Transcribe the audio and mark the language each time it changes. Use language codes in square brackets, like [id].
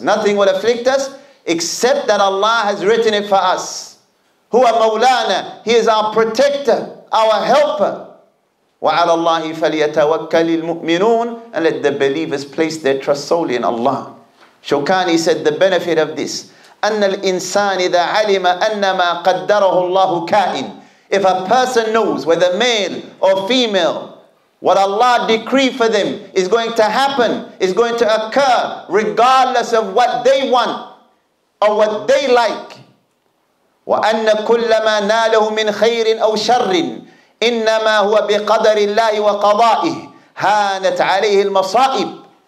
[en] Nothing will afflict us except that Allah has written it for us. [ar] هُوَ مَوْلَانَا. [en] He is our protector, our helper. [ar] وَعَلَى اللَّهِ فَلْيَتَوَكَّلِ الْمُؤْمِنُونَ. [en] And let the believers place their trust solely in Allah. Shawkani said the benefit of this, [ar] أَنَّ الْإِنسَانِ إِذَا عَلِمَ أَنَّ مَا قَدَّرَهُ اللَّهُ كَائِنٌ. [en] If a person knows whether male or female, what Allah decreed for them is going to happen, is going to occur, regardless of what they want or what they like. [ar] وَأَنَّ كُلَّ مَا نَالَهُ مِنْ خَيْرٍ أَوْ شَرٍ إِنَّمَا هُوَ بِقَدَرِ اللَّهِ وَقَضَائِهِ هَانَتْ عَلَيْهِ الْمَصَائِبِ.